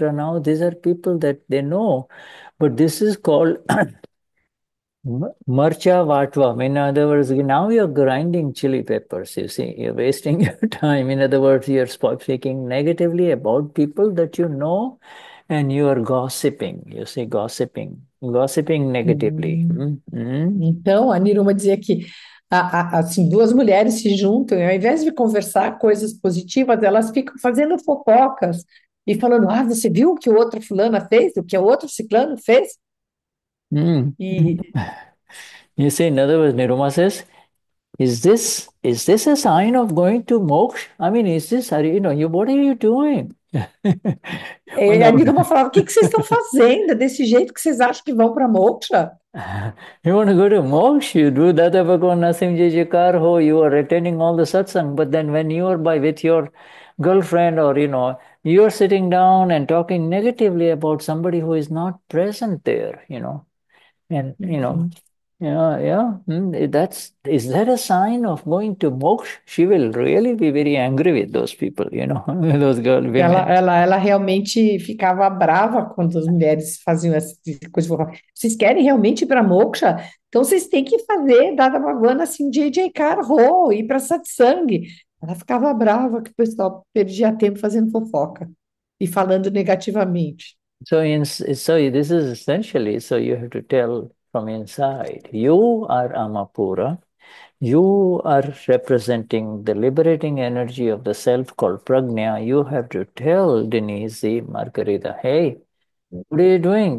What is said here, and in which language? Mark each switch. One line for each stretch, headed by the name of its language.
English: Now, these are people that they know, but this is called marcha vatva. In other words, now you're grinding chili peppers, you see, you're wasting your time. In other words, you're speaking negatively about people that you know and you are gossiping, you see, gossiping. Gossiping negatively.
Portuguese: Então, a Niruma dizia que assim, duas mulheres se juntam e ao invés de conversar coisas positivas, elas ficam fazendo fofocas e falando, ah, você viu o que o outro fulana fez? O que o outro ciclano fez?
English: You see, in other words, Niruma says, is this a sign of going to moksha? I mean, is this, are you, you know, you, what are you doing?
Portuguese: Ele ali não falava, o que vocês estão fazendo desse jeito que vocês acham que vão para moksha?
English: You want to go to moksha? You do that avagon nasim jejikarho, you are attending all the satsang, but then when you are with your girlfriend or, you know, you are sitting down and talking negatively about somebody who is not present there, you know. And, you know, is that a sign of going to moksha? She will really be very angry with those people, you know, those girl women.
Portuguese: Ela realmente ficava brava quando as mulheres faziam essa coisa. Vocês querem realmente ir para moksha? Então vocês têm que fazer Dada Bhagwana assim, JJ Carro, ir para Satsang. Ela ficava brava que o pessoal perdia tempo fazendo fofoca e falando negativamente.
English: So this is essentially, so you have to tell from inside, you are Amapura, you are representing the liberating energy of the self called Pragna. You have to tell Denise, Margarita, hey, what are you doing?